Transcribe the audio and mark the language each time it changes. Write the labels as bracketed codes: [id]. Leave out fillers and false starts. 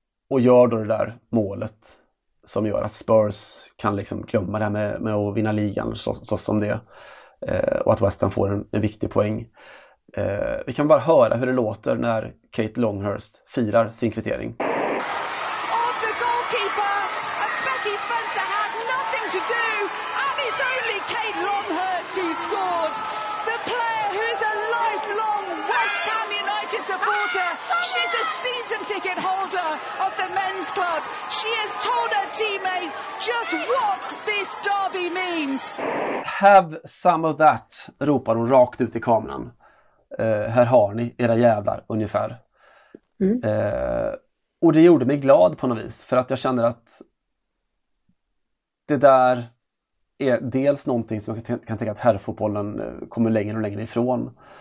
[sv] Och gör då det där målet. Som gör att Spurs kan liksom glömma det med att vinna ligan. Så som det. Och att West Ham får en viktig poäng. Vi kan bara höra hur det låter när Kate Longhurst firar sin kvittering. [en] Of the goalkeeper and Becky Spencer had nothing to do, and it's only Kate Longhurst who scored. The player who's a lifelong West Ham United supporter. She's a season ticket holder of the men's club. She has told her teammates just what this derby means. Have some of that, [sv] ropar hon rakt ut i kameran. Här har ni era jävlar, ungefär. Och det gjorde mig glad på något vis. För att jag känner att det där är dels någonting som jag kan tänka att herrfotbollen kommer längre och längre ifrån.